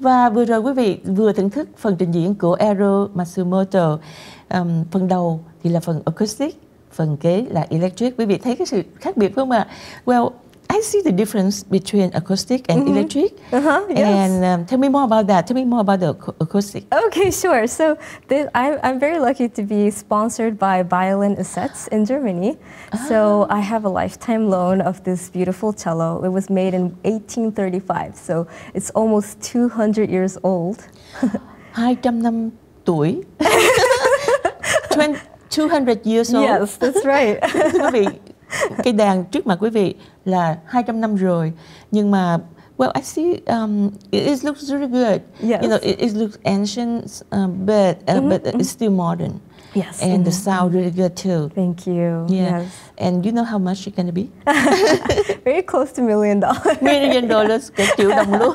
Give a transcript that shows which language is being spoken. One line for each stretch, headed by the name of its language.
Vietnamese: Vừa rồi quý vị vừa thưởng thức phần trình diễn của Eru Matsumoto. Phần đầu thì là phần acoustic, phần kế là electric. Quý vị thấy cái sự khác biệt không ạ?
English: Well, I see the difference between acoustic and electric. Uh-huh, yes. And tell me more about that. Tell me more about the acoustic. Okay, sure. So I'm very lucky to be sponsored by Violin Assets in Germany. So I have a lifetime loan of this beautiful cello. It was made in 1835, so it's almost 200 years old.
Vietnamese: 200 năm tuổi.
English: 200 years old. Yes, that's right.
Vietnamese: Cây đàn trước mặt quý vị là 200 năm rồi. Nhưng mà,
English: well, I see it looks really good. Yes. You know, it looks ancient, but it's still modern. Yes. And the sound really good too. Thank you. Yeah. Yes. And you know how much it's going to be? Very close to $1 million. $1 million,
Vietnamese: cái triệu đồng luôn.